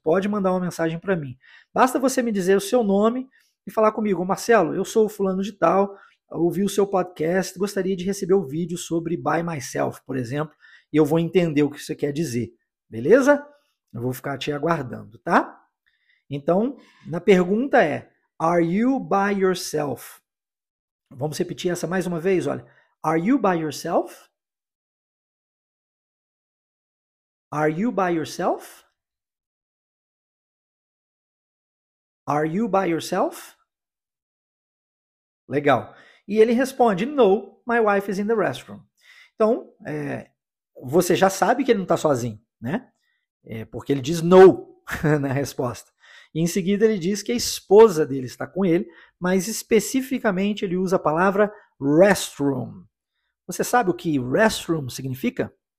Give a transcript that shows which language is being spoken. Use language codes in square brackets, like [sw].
[pt] Pode mandar uma mensagem para mim. Basta você me dizer o seu nome e falar comigo, Marcelo, eu sou o fulano de tal, ouvi o seu podcast, gostaria de receber o vídeo sobre [en] by myself, [pt] por exemplo, e eu vou entender o que você quer dizer, beleza? Eu vou ficar te aguardando, tá? Então, na pergunta é, [en] are you by yourself? [pt] Vamos repetir essa mais uma vez, olha. [en] Are you by yourself? Are you by yourself? Are you by yourself? [pt] Legal. E ele responde, [en] no, my wife is in the restroom. [pt] Então, você já sabe que ele não está sozinho, né? Porque ele diz no na resposta. E em seguida ele diz que a esposa dele está com ele, mas especificamente ele usa a palavra restroom. Você sabe o que restroom significa?